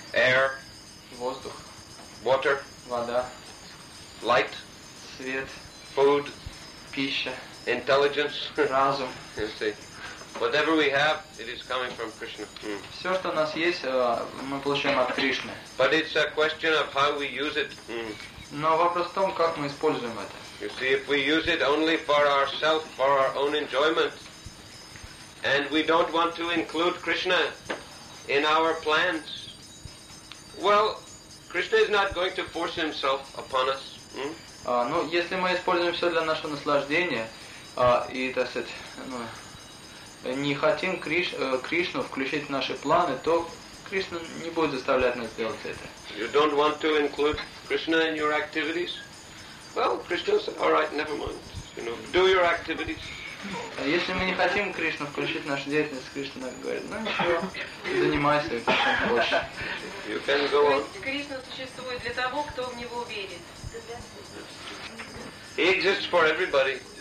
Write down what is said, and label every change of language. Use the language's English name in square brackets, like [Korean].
[English] Air. [Russian] Воздух. [English] Water. [Russian] Вода. [English] Light. [Russian] Свет. [English] Food. [Russian] Пища. [English] Intelligence. [Russian] Разум. [English] You see. Whatever we have, it is coming from Krishna. [Russian] Все, что у нас есть, мы получаем от Кришны. [English] But it's a question of how we use it. [Russian] Но вопрос в том, как мы используем это. [English] You see, if we use it only for ourselves, for our own enjoyment, and we don't want to include Krishna in our plans, well, Krishna is not going to force himself upon us. [Russian] Ну, если мы используем все для нашего наслаждения, и, так сказать, ну, не хотим Кришну включить в наши планы, то Кришна не будет заставлять нас делать это. [English] You don't want to include Krishna in your activities? Well, Krishna said, all right, never mind. You know, do your activities. [Russian] Если мы не хотим Кришну включить в нашу деятельность, Кришна говорит, ну ничего, занимайся этим больше. [English] You can go on. [Russian] Кришна существует для того, кто в него верит. [English] He exists for everybody.